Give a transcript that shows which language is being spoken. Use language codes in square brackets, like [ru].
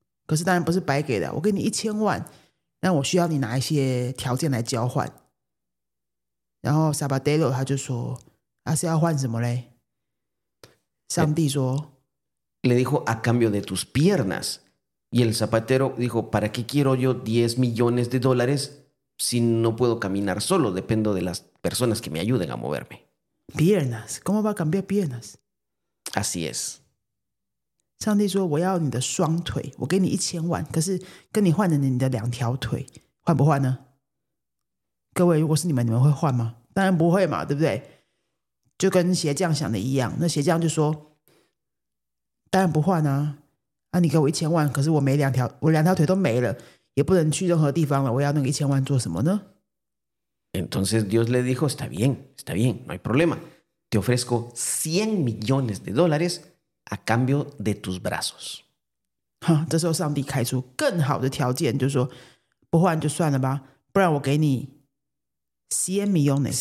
[zh] 可是当然不是白给的，我给你一千万，那我需要你拿一些条件来交换。然后 Sabadello 他就说，他是要换什么嘞？上帝说 [es] Le dijo a cambio de tus piernas. Y el zapatero dijo, ¿para qué quiero yo 10 millones de dólares si no puedo caminar solo? Dependo de las personas que me ayuden a moverme. Piernas, ¿cómo va a cambiar piernas? Así es. [zh] 上帝说，我要你的双腿，我给你一千万，可是跟你换了你的两条腿，换不换呢？各位，如果是你们，你们会换吗？当然不会嘛，对不对？就跟鞋匠想的一样，那鞋匠就说，当然不换啊，啊你给我一千万，可是我没两条，我两条腿都没了，也不能去任何地方了，我要那个一千万做什么呢？ [es] Entonces Dios le dijo, está bien, no hay problema, te ofrezco 100 millones de dólares a cambio de tus brazos. [zh] 哈，这时候上帝开出更好的条件，就说，不换就算了吧，不然我给你 [es] 100 millones,